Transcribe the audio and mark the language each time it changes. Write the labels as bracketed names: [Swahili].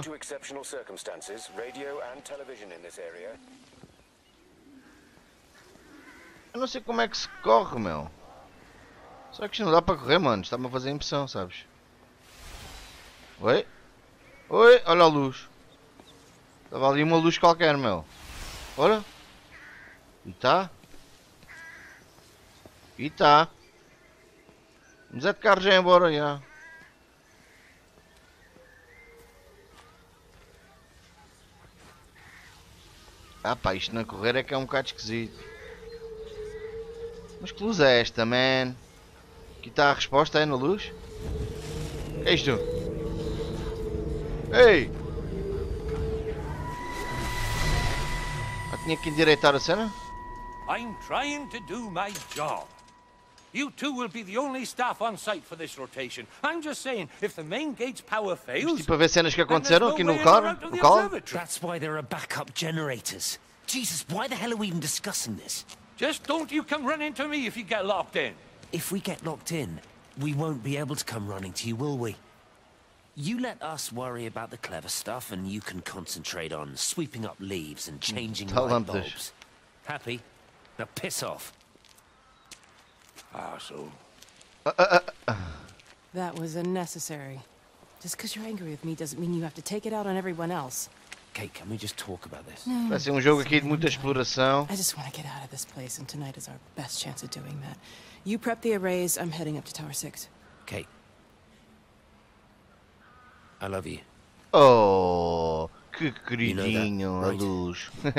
[English] Due to exceptional circumstances, radio and television in this area. [Portuguese] Eu não sei como é que se corre, meu. Será que isto não dá para correr, mano? Está-me a fazer a impressão, sabes? Oi? Oi? Olha a luz. Estava ali uma luz qualquer, meu. Ora? E tá? E tá? Vamos é de carro já embora já. Ah pá, isto na correr é que é um bocado esquisito. Mas que luz é esta, man? Aqui está a resposta, é na luz? É isto? Ei! Ah, tinha que endireitar a cena? [English] I'm trying to do my job. You two will be the only staff on site for this rotation. I'm just saying, if the main gate's power fails... [Portuguese] Tipo, a ver cenas que aconteceram aqui no local. [English] That's why there are backup generators. Jesus, why the hell are we even discussing this? Just don't you come running to me if you get locked in. If we get locked in, we won't be able to come running to you, will we? You let us worry about the clever stuff and you can concentrate on sweeping up leaves and changing light bulbs. Happy? Now piss off. That was unnecessary. Just because you're angry with me doesn't mean you have to take it out on everyone else. Kate, can we just talk about this? [Portuguese] No, vai ser jogo aqui de muita exploração. [English] I just want to get out of this place, and tonight is our best chance of doing that. You prep the arrays, I'm heading up to Tower 6. Kate. I love you. [Portuguese] Oh, que queridinho, [English] you know that, right? [Portuguese] A luz.